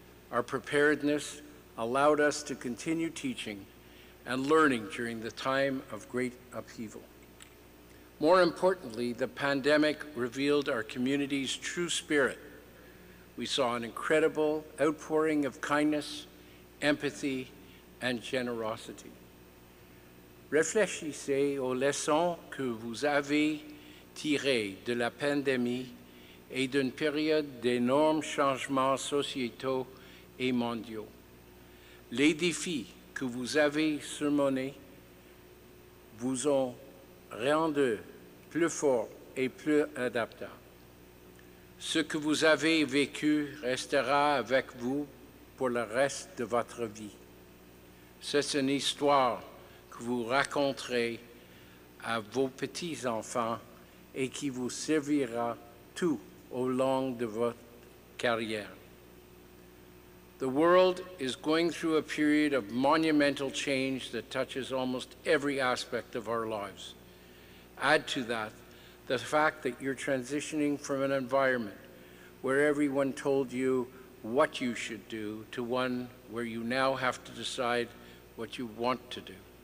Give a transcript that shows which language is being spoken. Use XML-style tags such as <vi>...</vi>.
<en>Our preparedness allowed us to continue teaching and learning during the time of great upheaval. More importantly, the pandemic revealed our community's true spirit. We saw an incredible outpouring of kindness, empathy, and generosity.</en> <fr>Réfléchissez aux leçons que vous avez tirées de la pandémie et d'une période d'énormes changements sociétaux et mondiaux. Les défis que vous avez surmontés vous ont rendu plus fort et plus adaptable. Ce que vous avez vécu restera avec vous pour le reste de votre vie. C'est une histoire que vous raconterez à vos petits-enfants et qui vous servira tout au long de votre carrière.</fr> <en>The world is going through a period of monumental change that touches almost every aspect of our lives. Add to that the fact that you're transitioning from an environment where everyone told you what you should do to one where you now have to decide what you want to do.</en>